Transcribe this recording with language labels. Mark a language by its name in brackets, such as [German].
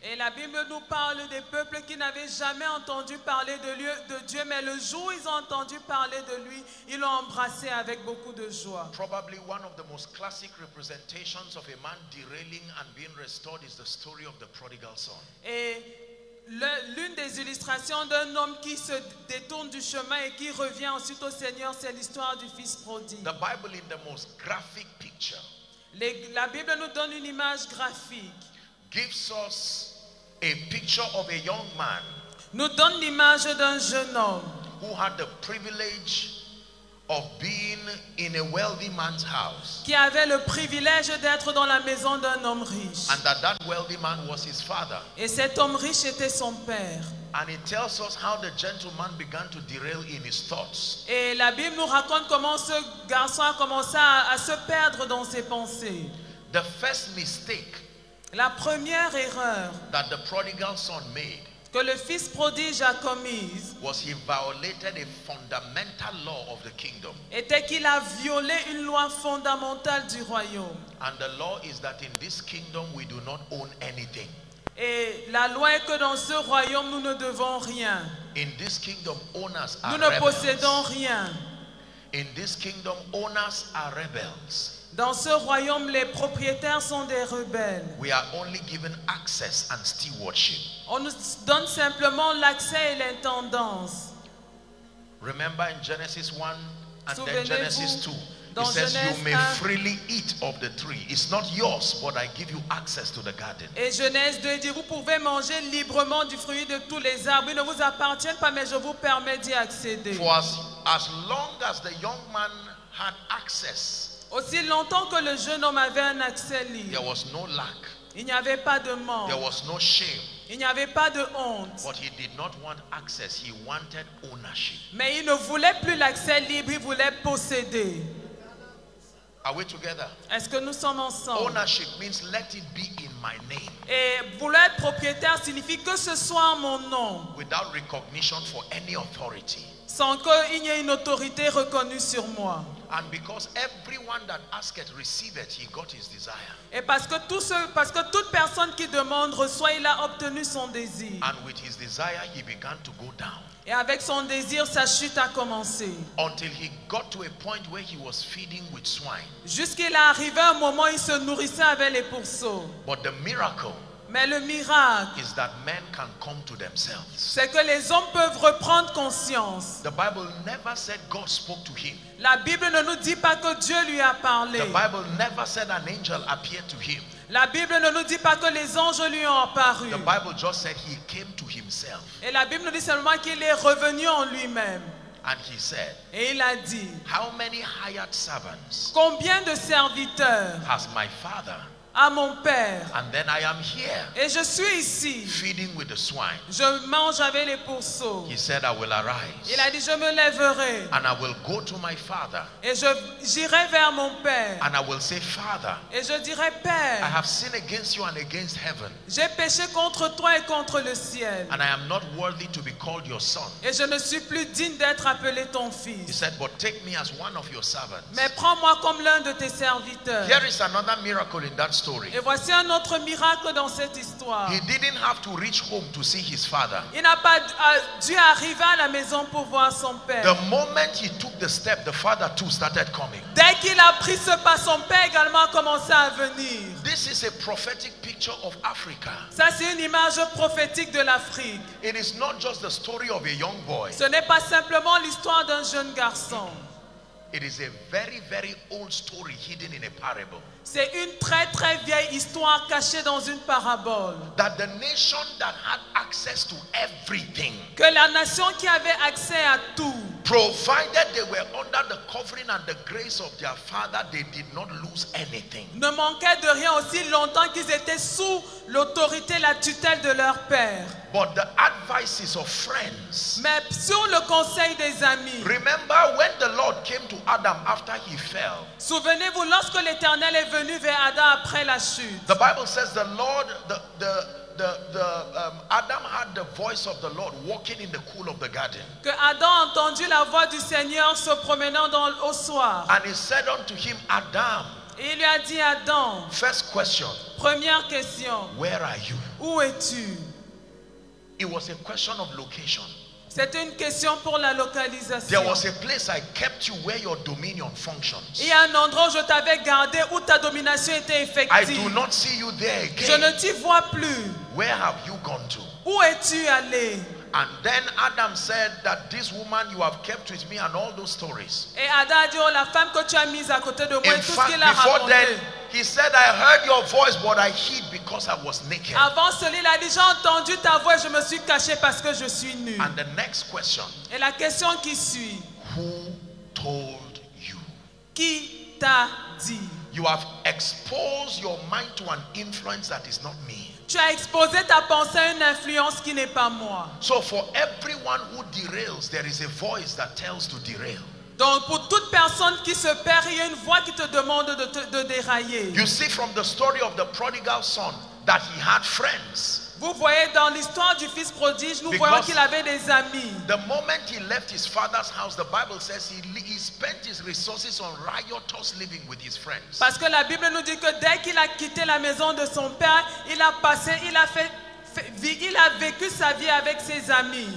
[French] Et la Bible nous parle des peuples qui n'avaient jamais entendu parler de Dieu, mais le jour où ils ont entendu parler de lui, ils l'ont embrassé avec beaucoup de joie. [English] Probably one of the most classic representations of a man derailing and being restored is the story of the prodigal son. [French] Et l'une des illustrations d'un homme qui se détourne du chemin et qui revient ensuite au Seigneur, c'est l'histoire du fils prodigue. [English] The Bible in the most graphic picture. [French] La Bible nous donne une image graphique. [English] Gives us a picture of a young man. [French] Nous donne l'image d'un jeune homme. [English] Who had the privilege of being in a wealthy man's house. [French] Qui avait le privilège d'être dans la maison d'un homme riche. [English] And that wealthy man was his father. [French] Et cet homme riche était son père. [English] And it tells us how the gentleman began to derail in his thoughts. [French] Et la Bible nous raconte comment ce garçon a commencé à se perdre dans ses pensées. [English] The first mistake. [French] La première erreur. [English] That the prodigal son made. [French] Que le fils prodige a commise. [English] Was he violated a fondamental law of the kingdom? [French] Était qu'il a violé une loi fondamentale du royaume. [English] And the law is that in this kingdom we do not own anything. [French] Et la loi est que dans ce royaume nous ne devons rien. [English] In this kingdom owners are rebels. [French] Nous ne possédons rien. [English] In this kingdom owners are rebels. [French] Dans ce royaume, les propriétaires sont des rebelles. [English] We are only given access and stewardship. [French] On nous donne simplement l'accès et l'intendance. [English] Remember in Genesis 1 and then Genesis 2. It says, [French] Genèse [English] you may freely eat of the tree. It's not yours, but I give you access to the garden. [French] Et Genèse 2 dit, vous pouvez manger librement du fruit de tous les arbres. Ils ne vous appartiennent pas, mais je vous permets d'y accéder. [English] For as long as the young man had access, [French] aussi longtemps que le jeune homme avait un accès libre, [English] there was no lack. [French] Il n'y avait pas de manque. [English] There was no shame. [French] Il n'y avait pas de honte. [English] But he did not want access. He wanted ownership. [French] Mais il ne voulait plus l'accès libre, il voulait posséder. [English] Are we together? [French] Est-ce que nous sommes ensemble? [English] Ownership means let it be in my name. [French] Et vouloir être propriétaire signifie que ce soit en mon nom. [English] Without recognition for any authority. [French] Sans qu'il y ait une autorité reconnue sur moi. [English] And because everyone that asketh receiveth, he got his desire. [French] Et parce que toute personne qui demande reçoit, il a obtenu son désir. [English] And with his desire, he began to go down. [French] Et avec son désir, sa chute a commencé. [English] Until he got to a point where he was feeding with swine. [French] Jusqu'il est arrivé un moment où il se nourrissait avec les pourceaux. [English] But the miracle. [French] Mais le miracle, [English] is that men can come to themselves. [French] C'est que les hommes peuvent reprendre conscience. [English] The Bible never said God spoke to him. [French] La Bible ne nous dit pas que Dieu lui a parlé. [English] The Bible never said an angel appeared to him. [French] La Bible ne nous dit pas que les anges lui ont apparu. [English] The Bible just said he came to himself. [French] Et la Bible nous dit seulement qu'il est revenu en lui-même. [English] And he said, [French] et il a dit, [English] how many hired servants? [French] Combien de serviteurs? [English] Has my father? [French] À mon père. [English] And then I am here. [French] Et je suis ici. [English] Feeding with the swine. [French] Je mange avec les pourceaux. [English] He said, I will arise. [French] Il a dit, je me lèverai. [English] And I will go to my father. [French] Et j'irai vers mon père. [English] And I will say, Father. [French] Et je dirai, Père. [English] I have sinned against you and against heaven. [French] J'ai péché contre toi et contre le ciel. [English] And I am not worthy to be called your son. [French] Et je ne suis plus digne d'être appelé ton fils. [English] He said, but take me as one of your servants. [French] Mais prends-moi comme l'un de tes serviteurs. [English] Here is another miracle in that story. [French] Et voici un autre miracle dans cette histoire. [English] He didn't have to reach home to see his father. [French] Il n'a pas dû arriver à la maison pour voir son père. [English] The moment he took the step, the father too started coming. [French] Dès qu'il a pris ce pas, son père également a commencé à venir. [English] This is a prophetic picture of Africa. [French] Ça, c'est une image prophétique de l'Afrique. [English] It is not just the story of a young boy. [French] Ce n'est pas simplement l'histoire d'un jeune garçon. [English] It is a very, very old story hidden in a parable. [French] C'est une très très vieille histoire cachée dans une parabole. [English] That the nation that had access to everything, [French] que la nation qui avait accès à tout, [English] provided they were under the covering and the grace of their father, they did not lose anything. [French] Ne manquait de rien aussi longtemps qu'ils étaient sous l'autorité, la tutelle de leur père. [English] But the advices of friends, [French] mais sur le conseil des amis. [English] Remember when the Lord came to Adam after he fell. [French] Souvenez-vous lorsque l'Éternel est venu vers Adam après la chute. [English] The Bible says the Lord, the Adam had the voice of the Lord walking in the cool of the garden. [French] Que Adam a entendu la voix du Seigneur se promenant dans au soir. [English] And he said unto him, Adam. [French] Et il lui a dit, Adam. [English] First question. [French] Première question. [English] Where are you? [French] Où es-tu? [English] It was a question of location. [French] C'était une question pour la localisation. [English] There was a place I kept you where your dominion functions. [French] Il y a un endroit où je t'avais gardé où ta domination était effective. [English] I do not see you there again. [French] Je ne t'y vois plus. [English] Where have you gone to? [French] Où es-tu allé? [English] And then Adam said that this woman you have kept with me and all those stories. [French] Et Adam a dit, oh, la femme que tu as mise à côté de moi, [English] in [French] tout [English] fact, [French] ce qu'il a [English] before [French] raconté. [English] Then, he said, I heard your voice, but I hid because I was naked. [French] Avant cela, il a dit, j'ai entendu ta voix, je me suis caché parce que je suis nu. [English] And the next question. [French] Et la question qui suit. [English] Who told you? [French] Qui t'a dit? [English] You have exposed your mind to an influence that is not me. [French] Tu as exposé ta pensée à une influence qui n'est pas moi. [English] So for everyone who derails, there is a voice that tells to derail. [French] Donc pour toute personne qui se perd, il y a une voix qui te demande de dérailler. [English] You see from the story of the prodigal son that he had friends. [French] Vous voyez dans l'histoire du fils prodige, nous [English] because [French] voyons qu'il avait des amis. [English] The moment he left his father's house, the Bible says he spent his resources on riotous living with his friends. [French] Parce que la Bible nous dit que dès qu'il a quitté la maison de son père, il a vécu sa vie avec ses amis.